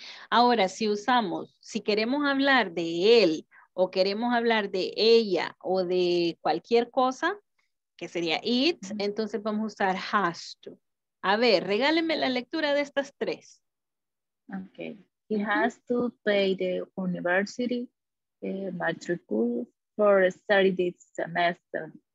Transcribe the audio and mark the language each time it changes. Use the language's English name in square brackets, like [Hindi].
[Spanish] Ahora, si usamos, si queremos hablar de él o queremos hablar de ella o de cualquier cosa, que sería it, entonces vamos a usar has to. A ver, regáleme la lectura de estas tres. [English] Okay. He has to pay the university matricule for study this semester.